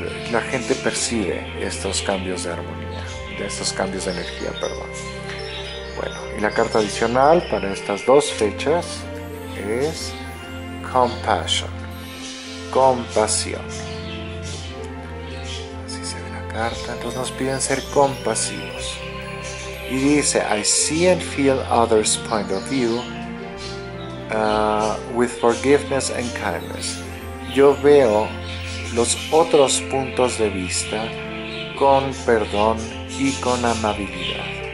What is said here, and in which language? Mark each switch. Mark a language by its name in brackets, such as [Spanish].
[Spanish] La gente percibe estos cambios de armonía, de estos cambios de energía, perdón. Bueno, y la carta adicional para estas dos fechas es Compassion. Compasión. Carta. Entonces nos piden ser compasivos. Y dice, [English] I see and feel others' point of view with forgiveness and kindness. [Spanish] Yo veo los otros puntos de vista con perdón y con amabilidad.